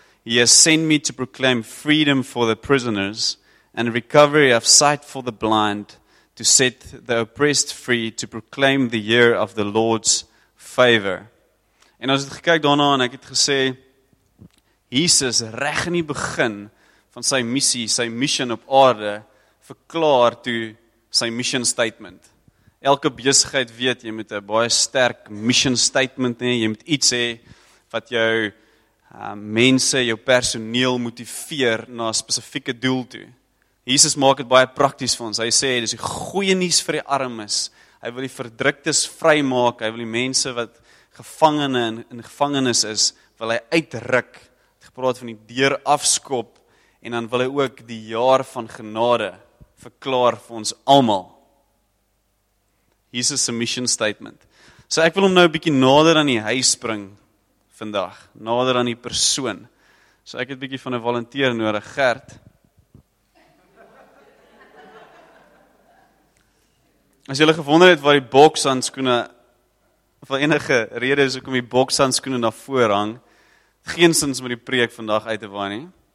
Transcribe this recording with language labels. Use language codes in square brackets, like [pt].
[en] He has sent me to proclaim freedom for the prisoners and recovery of sight for the blind, to set the oppressed free, to proclaim the year of the Lord's favor. [af] En as het gekyk daarna en ek het gesê, Jesus reg in die begin van sy missie, sy mission op aarde, verklaar toe sy mission statement. Elke besigheid weet, jy moet 'n baie sterk mission statement hê, jy moet iets hê wat jou mense, jou personeel motiveer na 'n spesifieke doel toe. Jesus maak dit baie prakties vir ons. Hy sê, dis die goeie nuus vir die armes. Hy wil die verdruktes vrymaak, hy wil die mense wat gevangene in gevangenis is, wil hy uitruk. Het gepraat van die deur afskop en dan wil hy ook die jaar van genade verklaar vir ons almal. Jesus se mission statement. So ek wil hom nou 'n bietjie nader aan die huis bring vandag, nader aan die persoon. So ek het 'n bietjie van 'n volunteer nodig, Gert. As julle gewonder het waar die bokshandskoene van enige rede is hoekom die bokshandskoene na voor hang, geensins met die preek vandag uit te waai nie.